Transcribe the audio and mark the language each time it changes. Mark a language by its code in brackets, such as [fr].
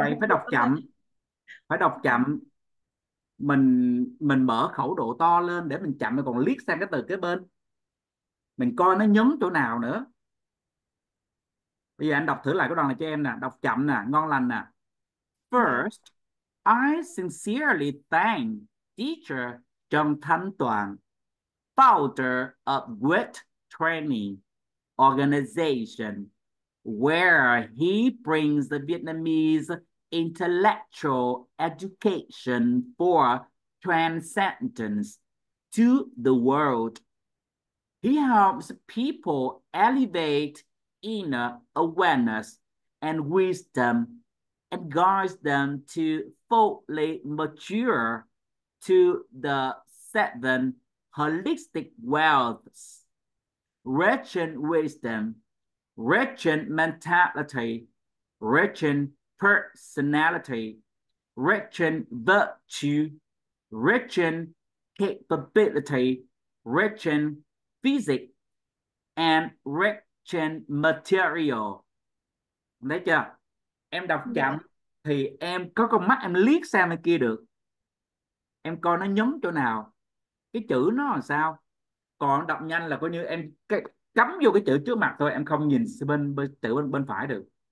[vi] vậy phải đọc chậm. Phải đọc được. chậm. Mình mở khẩu độ to lên để mình chậm, mình còn liếc sang cái từ kế bên. Mình coi nó nhấn chỗ nào nữa. Bây giờ anh đọc thử lại cái đoạn này cho em nè, đọc chậm nè, ngon lành nè. Dạ. [en] First, I sincerely thank teacher Trần Thanh Toàn, founder of Weight Training Organization, where he brings the Vietnamese intellectual education for transcendence to the world. He helps people elevate inner awareness and wisdom and guides them to fully mature to the seven holistic wealths, rich in wisdom, rich in mentality, rich in personality, rich in virtue, rich in capability, rich in physics, and rich in material. [vi] Đấy chưa? Em đọc Dạ. chậm thì em có con mắt em liếc sang bên kia được. Em coi nó nhấn chỗ nào, cái chữ nó làm sao. Còn đọc nhanh là coi như em cái cắm vô cái chữ trước mặt thôi, em không nhìn bên chữ bên phải được.